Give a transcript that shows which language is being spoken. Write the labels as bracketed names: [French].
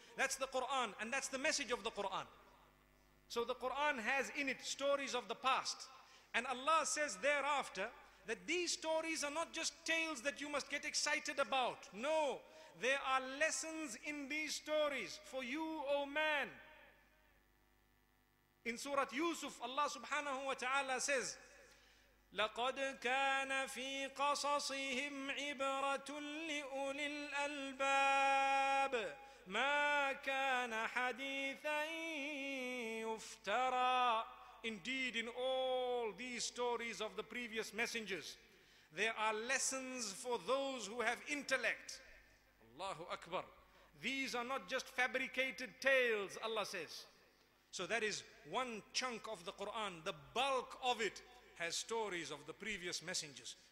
[English] That's the Quran, and that's the message of the Quran. So the Quran has in it stories of the past. And Allah says thereafter that these stories are not just tales that you must get excited about. No, there are lessons in these stories for you, O man. In Surah Yusuf, Allah subhanahu wa ta'ala says, [Arabic] لَقَدْ كَانَ فِي قَصَصِهِمْ عِبْرَةٌ لِأُولِي الْأَلْبَابِ مَا كَانَ حَدِيثًا يُفْتَرَى. [English] Indeed, in all these stories of the previous messengers, there are lessons for those who have intellect. Allahu Akbar. These are not just fabricated tales, Allah says. So that is one chunk of the Quran. The bulk of it has stories of the previous messengers.